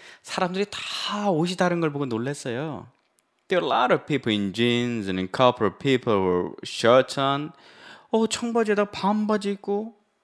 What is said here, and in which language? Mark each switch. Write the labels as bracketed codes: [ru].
[ko] 사람들이 다 옷이 다른 걸 보고 놀랐어요. [en] There were a lot of people in jeans and a couple of people were shirts on. [ko] 청바지에다 반바지 입고.